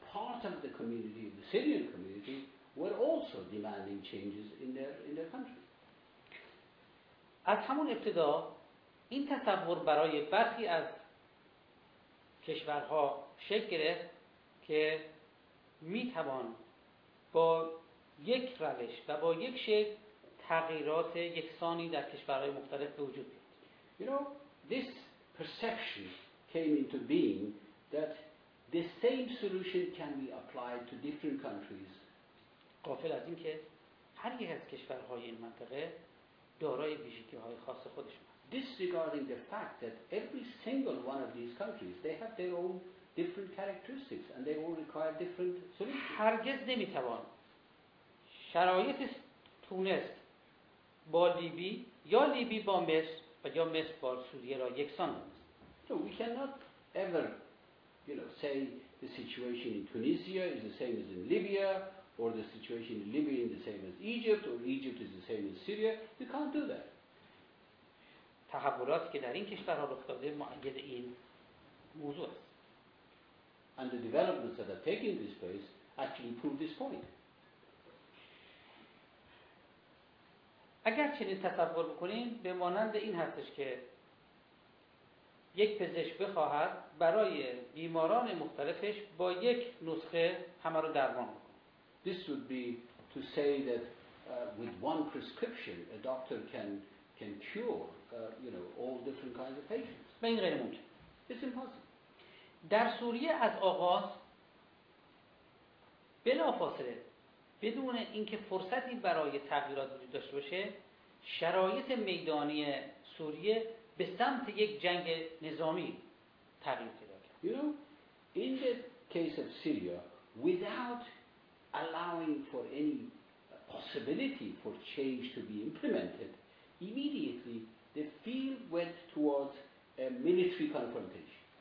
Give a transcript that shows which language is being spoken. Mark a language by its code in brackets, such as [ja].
[en] part of the community, the Syrian community, were also demanding changes in their country. [fa] از همون ابتدا این تصور برای برخی از کشورها شکل گرفت که میتوان با یک روش و با یک شکل تغییرات یکسانی در کشورهای مختلف به وجود بیاد. [en] You know, this perception came into being that the same solution can be applied to different countries. [fa] غافل از این که هر یک از کشورهای این منطقه دارای ویژگی‌های خاص خودش است. [en] Disregarding the fact that every single one of these countries, they have their own different characteristics and they all require different solutions. [fa] هرگز نمیتوان شرایط تونس با لیبی یا لیبی با مصر و یا مصر با سوریه را یکسان دانست. [en] So we cannot ever, you know, say the situation in Tunisia is the same as in Libya, or the situation in Libya is the same as Egypt, or Egypt is the same as Syria. We can't do that. [fa] تحولاتی که در این کشورها رخ داده معید این موضوع است. [en] And the developments that are taking this place actually prove this point. [fa] اگر چنین تصور بکنیم به مانند این هستش که یک پزشک بخواهد برای بیماران مختلفش با یک نسخه همه رو درمان کنه. [en] This would be to say that with one prescription a doctor can cure you know all different kinds of patients. [fa] به این غیر ممکن. [en] It's impossible. [fa] در سوریه از آغاز بلافاصله بدون اینکه فرصتی برای تغییرات وجود داشته باشه شرایط میدانی سوریه به سمت یک جنگ نظامی تغییر پیدا کرد. [en] You know, in the case of Syria, without allowing for any possibility for change to be implemented, immediately the field went towards a military confrontation.